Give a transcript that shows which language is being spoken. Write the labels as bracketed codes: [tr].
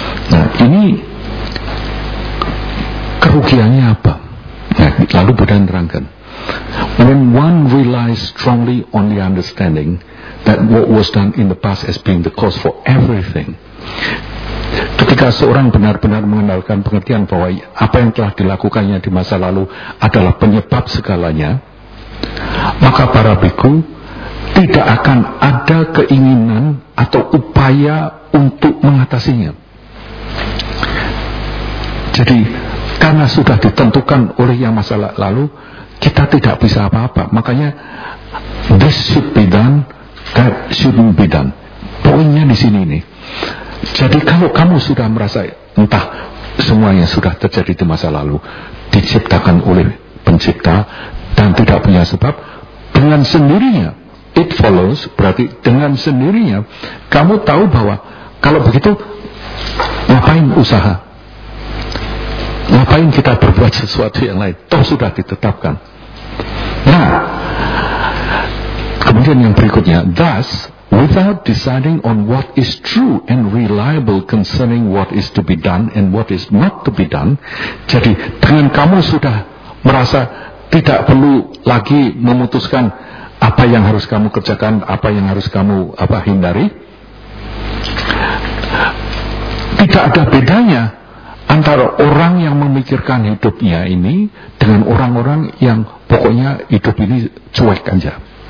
[id] Nah, ini kerugiannya apa? Nah, lalu Buddha terangkan, [en] when one relies strongly on the understanding that what was done in the past as being the cause for everything. [id] Ketika seorang benar-benar mengenalkan pengertian bahwa apa yang telah dilakukannya di masa lalu adalah penyebab segalanya, maka para bhikkhu tidak akan ada keinginan atau upaya untuk mengatasinya. Jadi karena sudah ditentukan oleh yang masa lalu, kita tidak bisa apa-apa. Makanya [en] this should be done, that shouldn't be done. [id] Poinnya di sini nih. Jadi kalau kamu sudah merasa entah semuanya sudah terjadi di masa lalu, diciptakan oleh pencipta dan tidak punya sebab, dengan sendirinya [en] it follows, [id] berarti dengan sendirinya kamu tahu bahwa kalau begitu ngapain usaha, ngapain kita berbuat sesuatu yang lain, toh sudah ditetapkan. Nah, kemudian yang berikutnya, [en] thus without deciding on what is true and reliable concerning what is to be done and what is not to be done. [id] Jadi dengan kamu sudah merasa tidak perlu lagi memutuskan apa yang harus kamu kerjakan, apa yang harus kamu apa hindari. Tidak ada bedanya antara orang yang memikirkan hidupnya ini dengan orang-orang yang pokoknya hidup ini cuek aja.